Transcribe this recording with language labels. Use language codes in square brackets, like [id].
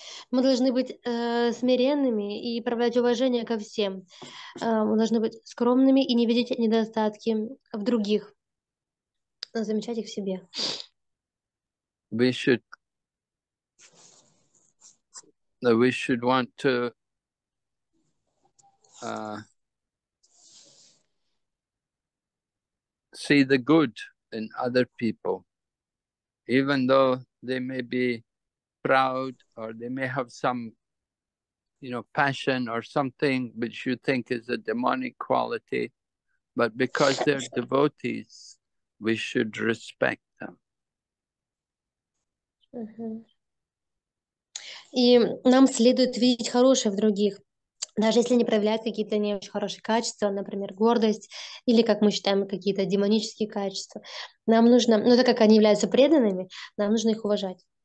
[ru] Мы должны быть смиренными и проявлять уважение ко всем. Мы должны быть скромными и не видеть недостатки в других, но замечать их в себе. [en] We should want to see the good in other people, even though they may be proud, or they may have some, you know, passion or something which you think is a demonic quality, but because they're devotees, we should respect them. [ru] И нам следует видеть хорошее в других, даже если они проявляют какие-то не очень хорошие качества, например, гордость или, как мы считаем, какие-то демонические качества. Нам нужно, ну так как они являются преданными, нам нужно их уважать.